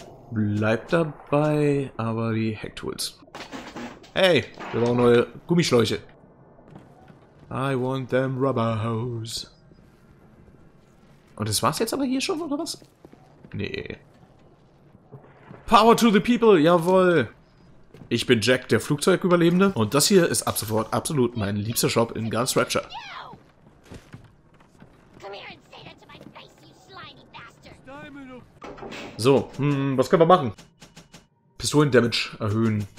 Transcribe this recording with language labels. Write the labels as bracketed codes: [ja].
[de] Bleibt dabei, aber die Hacktools. Hey, wir brauchen neue Gummischläuche. [en] I want them rubber hose. [de] Und das war's jetzt aber hier schon, oder was? Nee. [en] Power to the people, jawohl. [de] Ich bin Jack, der Flugzeugüberlebende. Und das hier ist ab sofort absolut mein liebster Shop in ganz Rapture. So, was können wir machen? Pistolen-Damage erhöhen.